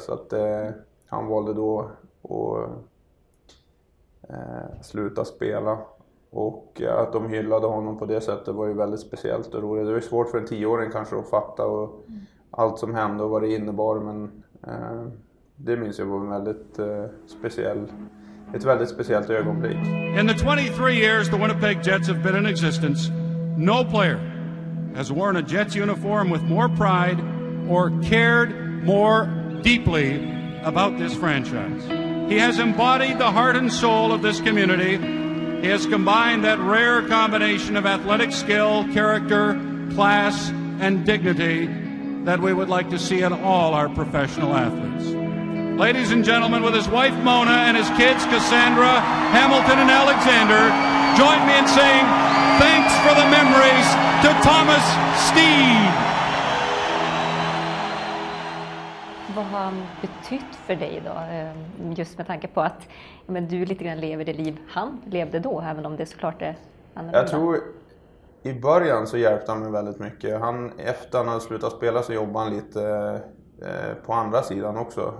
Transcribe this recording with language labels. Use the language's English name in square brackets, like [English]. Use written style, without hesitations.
[Swedish] Så att han valde då att sluta spela. Och att de hyllade honom på det sättet var ju väldigt speciellt och roligt. Det var svårt för en 10-åring kanske att fatta och allt som hände och vad det innebar. Men det minns jag var en väldigt speciell, ett väldigt speciellt ögonblick. [English] In the 23 years the Winnipeg Jets have been in existence, no player has worn a Jets uniform with more pride or cared more deeply about this franchise. He has embodied the heart and soul of this community. He has combined that rare combination of athletic skill, character, class, and dignity that we would like to see in all our professional athletes. Ladies and gentlemen, with his wife Mona and his kids Cassandra, Hamilton, and Alexander, join me in saying thanks for the memories to Thomas Steed. [Swedish] Vad har han betytt för dig då, just med tanke på att men du lite grann lever det liv han levde då, även om det såklart är annorlunda? Jag tror i början så hjälpte han mig väldigt mycket. Han, efter han hade slutat spela så jobbade han lite på andra sidan också.